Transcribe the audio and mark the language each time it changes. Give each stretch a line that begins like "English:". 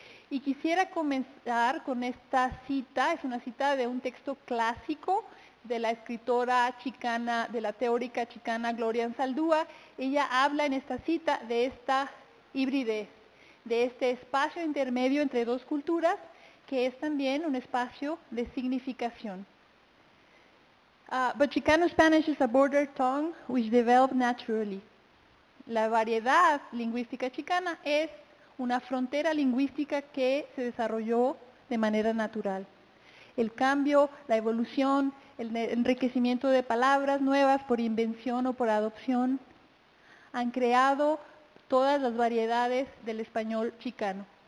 Spanish: Y quisiera comenzar con esta cita, es una cita de un texto clásico de la escritora chicana, de la teórica chicana Gloria Anzaldúa. Ella habla en esta cita de esta hibridez, de este espacio intermedio entre dos culturas, que es también un espacio de significación.
English: But Chicano Spanish is a border tongue which developed naturally.
Spanish: La variedad lingüística chicana es una frontera lingüística que se desarrolló de manera natural. El cambio, la evolución, el enriquecimiento de palabras nuevas por invención o por adopción han creado todas las variedades del español chicano.